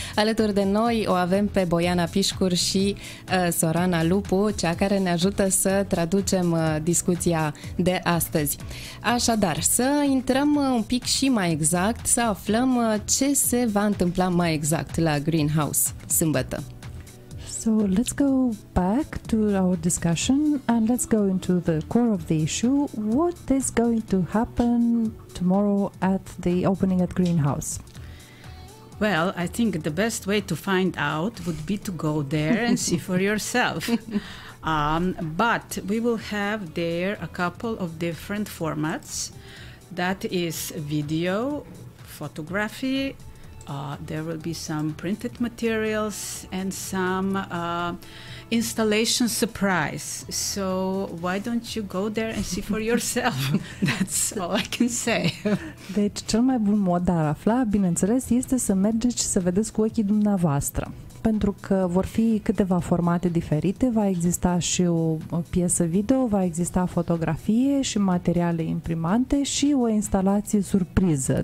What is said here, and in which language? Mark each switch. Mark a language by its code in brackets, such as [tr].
[ro] Alături de noi o avem pe Boiana Pișcur și Sorana Lupu, cea care ne ajută să traducem discuția de astăzi. Așadar, să intrăm un pic și mai exact, să aflăm ce se va întâmpla mai exact la Greenhouse sâmbătă. [en] So let's go back to our discussion and let's go into the core of the issue. What is going to happen tomorrow at the opening at Greenhouse? Well, I think the best way to find out would be to go there and see for yourself. But we will have there a couple of different formats. That is video, photography. There will be some printed materials and some installation surprise. So why don't you go there and see for yourself? That's all I can say. [ro] Deci cel mai bun mod de a afla, bineînțeles, este să mergeți și să vedeți cu ochii dumneavoastră. Pentru că vor fi câteva formate diferite, va exista și o piesă video, va exista fotografie și materiale imprimante și o instalație surpriză.